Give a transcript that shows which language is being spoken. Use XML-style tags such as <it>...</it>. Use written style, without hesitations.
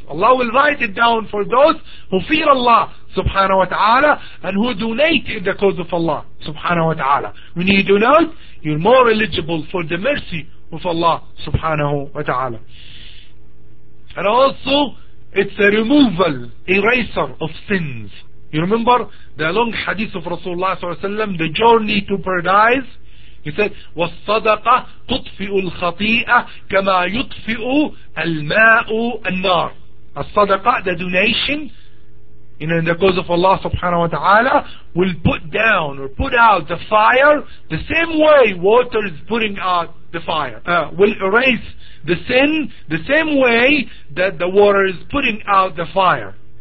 <en>Allah will write it down for those who fear Allah subhanahu wa ta'ala and who donate in the cause of Allah subhanahu wa ta'ala. When you donate, you're more eligible for the mercy of Allah subhanahu wa ta'ala. And also it's a removal, eraser of sins. You remember the long hadith of Rasulullah sallallahu alaihi wasallam, the journey to paradise. He said,</en> <ar>وَالصَّدَقَ تُطْفِئُ الْخَطِيئَةِ كَمَا يُطْفِئُ الْمَاءُ النَّارِ.</ar> <en>الصَّدَقَ, the donation, you know, in the cause of Allah subhanahu wa ta'ala, will put down or put out the fire the same way water is putting out the fire, will erase the sin the same way that the water is putting out the fire.</en>